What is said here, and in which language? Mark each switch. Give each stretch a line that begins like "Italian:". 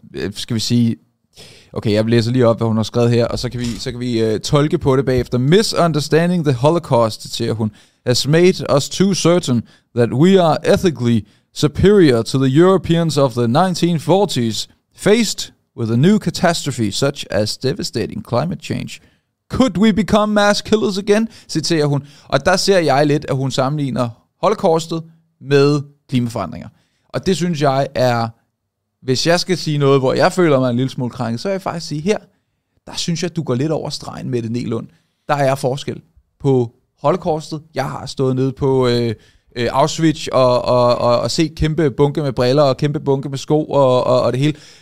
Danish: skal vi sige, okay, jeg læser lige op, hvad hun har skrevet her, og så kan vi tolke på det bagefter.
English: Misunderstanding the Holocaust,
Danish: citerer hun,
English: has made us too certain that we are ethically superior to the Europeans of the 1940s, faced with a new catastrophe such as devastating climate change. Could we become mass killers again,
Danish: citerer hun. Og der ser jeg lidt, at hun sammenligner Holocaustet med klimaforandringer. Og det synes jeg er, hvis jeg skal sige noget, hvor jeg føler mig en lille smule krænket, så vil jeg faktisk sige her, der synes jeg, at du går lidt over stregen, Mette Neelund. Der er forskel på Holocaustet. Jeg har stået nede på Auschwitz og set kæmpe bunke med briller og kæmpe bunke med sko og det hele.